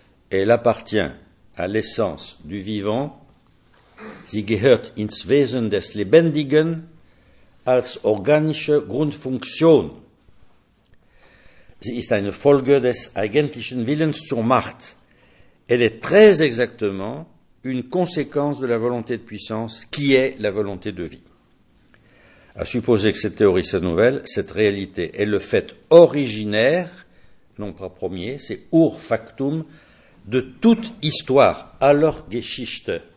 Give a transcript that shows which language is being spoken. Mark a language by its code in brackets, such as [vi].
[fr] Elle appartient à l'essence du vivant. [de] Sie gehört ins Wesen des Lebendigen als organische Grundfunktion. Sie ist eine Folge des eigentlichen Willens zur Macht. [fr] Elle est très exactement une conséquence de la volonté de puissance qui est la volonté de vie. À supposer que cette théorie soit nouvelle, cette réalité est le fait originaire, non pas premier, c'est ur factum, de toute histoire, [de] aller Geschichte.